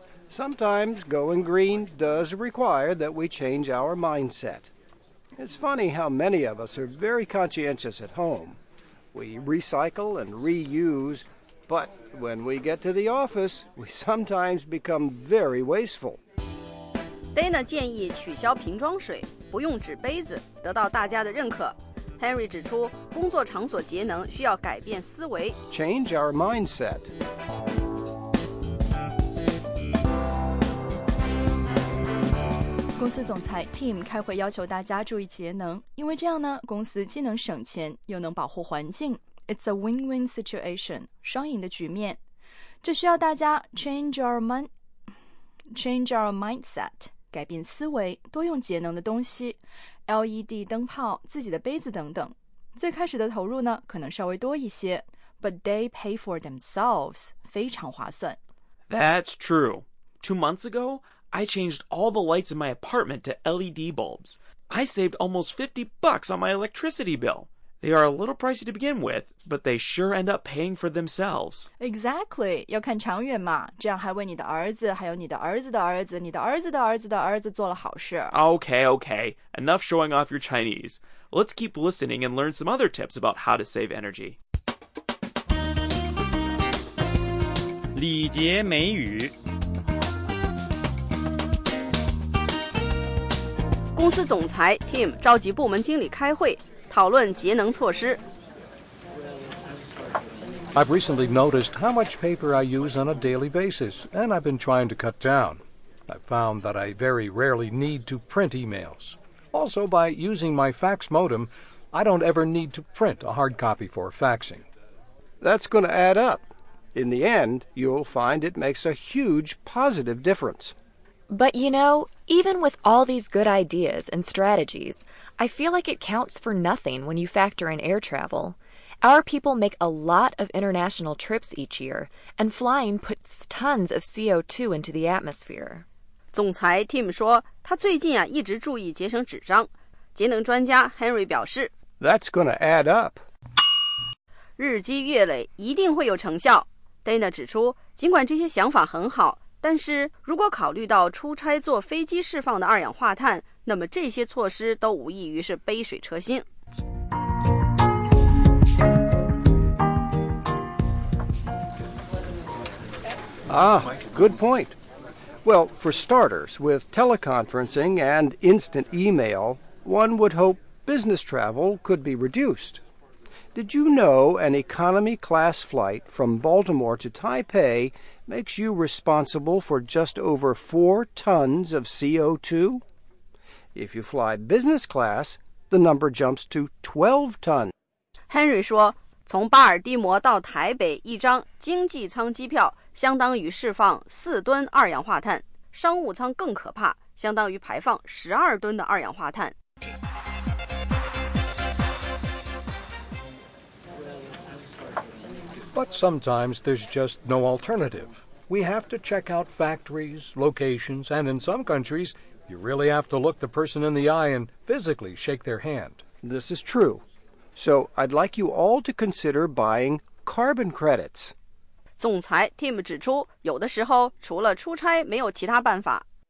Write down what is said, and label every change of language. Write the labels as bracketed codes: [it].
[en] Sometimes going green does require that we change our mindset. It's funny how many of us are very conscientious at home. We recycle and reuse, but when we get to the office, we sometimes become very wasteful. [zh] Dana 建议取消瓶装水，不用纸杯子，得到大家的认可。 Henry 指出，工作场所节能需要改变思维。 [en] Change our mindset. [zh] 公司总裁 Tim 开会要求大家注意节能，因为这样呢，公司既能省钱，又能保护环境。 [en] It's a win-win situation, [zh] 双赢的局面。这需要大家 [en] change our mindset, [zh] 改变思维，多用节能的东西 ，LED 灯泡、自己的杯子等等。最开始的投入呢，可能稍微多一些 ， [en] but they pay for themselves, [zh] 非常划算。 [en] That's true. 2 months ago. I changed all the lights in my apartment to LED bulbs. I saved almost $50 on my electricity bill. They are a little pricey to begin with, but they sure end up paying for themselves. Exactly. [zh] 要看长远嘛，这样还为你的儿子，还有你的儿子的儿子，你的儿子的儿子的儿子做了好事。 [en] Okay, okay. Enough showing off your Chinese. Let's keep listening and learn some other tips about how to save energy. [zh] 礼节美语公司总裁 Tim 召集部门经理开会，讨论节能措施。 [en] I've recently noticed how much paper I use on a daily basis, and I've been trying to cut down. I've found that I very rarely need to print emails. Also, by using my fax modem, I don't ever need to print a hard copy for faxing. That's going to add up. In the end, you'll find it makes a huge positive difference. But you know, even with all these good ideas and strategies, I feel like it counts for nothing when you factor in air travel. Our people make a lot of international trips each year, and flying puts tons of CO2 into the atmosphere. [zh] 总裁 Tim 说，他最近啊一直注意节省纸张。节能专家 Henry 表示 [en] ，That's gonna add up. [zh] 日积月累一定会有成效。Dana 指出，尽管这些想法很好。但是如果考虑到出差坐飞机释放的二氧化碳，那么这些措施都无异于是杯水车薪。 [en] Ah, good point. Well, for starters, with teleconferencing and instant email, one would hope business travel could be reduced. Did you know an economy class flight from Baltimore to Taipei? Makes you responsible for just over 4 tons of CO2. If you fly business class, the number jumps to 12 tons. [zh] Henry 说，从巴尔的摩到台北一张经济舱机票相当于释放4吨二氧化碳，商务舱更可怕，相当于排放12吨的二氧化碳。 [en] But sometimes there's just no alternative. We have to check out factories, locations, and in some countries, you really have to look the person in the eye and physically shake their hand. This is true. So I'd like you all to consider buying carbon credits. [zh] 总裁 Tim 指出，有的时候除了出差没有其他办法。